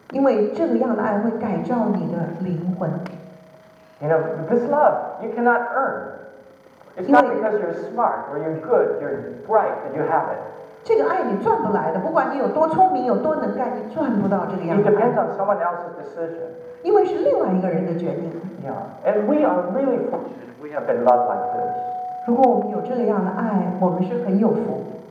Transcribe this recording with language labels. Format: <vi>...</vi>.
<zh>因为这个样的爱会改造你的灵魂。</zh> <en>You know, this love you cannot earn. It's not because you're smart or you're good, you're bright that you have it.</en> <zh>这个爱你赚不来的，不管你有多聪明、有多能干，你赚不到这个样的爱。</zh> <en>It depends on someone else's decision.</en> <zh>因为是另外一个人的决定。</zh> <en>Yeah, and we are really fortunate. We have been loved like this.</en> <zh>如果我们有这个样的爱，我们是很有福。</zh>